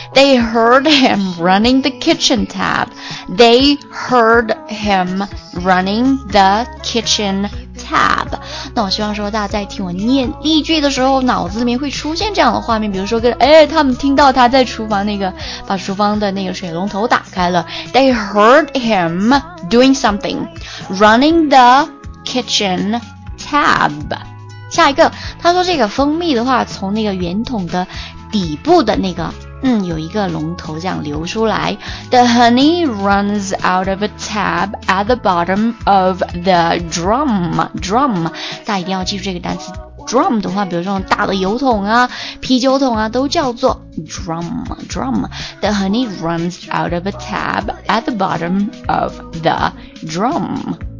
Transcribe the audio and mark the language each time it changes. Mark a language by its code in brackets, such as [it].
[en] They heard him running the kitchen tap. They heard him running the kitchen tap. [zh] 那我希望说大家在听我念例句的时候，脑子里面会出现这样的画面，比如说跟他们听到他在厨房那个把厨房的那个水龙头打开了。 [en] They heard him doing something, running the kitchen tap. [zh] 下一个，他说这个蜂蜜的话，从那个圆筒的底部的那个，有一个龙头这样流出来。 [en] The honey runs out of a tap at the bottom of the drum. [zh] Drum, 大家一定要记住这个单词。Drum 的话，比如这种大的油桶啊、啤酒桶啊，都叫做 drum。Drum. [en] The honey runs out of a tap at the bottom of the drum.